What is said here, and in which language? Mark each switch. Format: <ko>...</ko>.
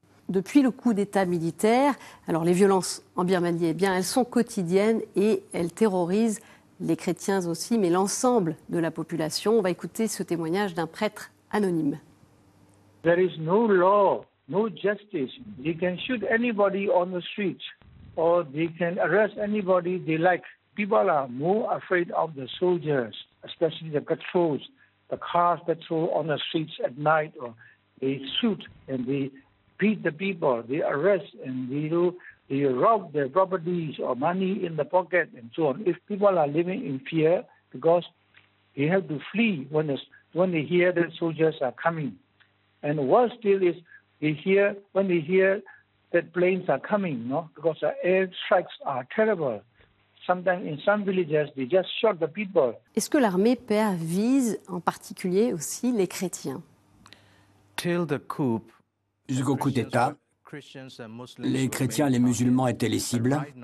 <fr>depuis le coup d'État militaire. Alors les violences en Birmanie, eh bien, elles sont quotidiennes et elles terrorisent les chrétiens aussi, mais l'ensemble de la population. On va écouter ce témoignage d'un prêtre anonyme.</fr> <en>There is no law, no justice. They can shoot anybody on the street or they can arrest anybody they like. People are more afraid of the soldiers, especially the patrols, the cars patrol on the streets at night, or they shoot and they beat the people, they arrest and they rob their properties or money in the pocket and so on. If people are living in fear because they have to flee when they hear that soldiers are coming. And worse still is when they hear that planes are coming, no? Because the air strikes are terrible. Sometimes in some villages, they just shot the people.</en> <fr>Est-ce que l'armée père vise en particulier aussi les chrétiens?</fr> <en>Till the coup.</en> <fr>Jusqu'au coup d'État, les chrétiens et les musulmans étaient les cibles.</fr>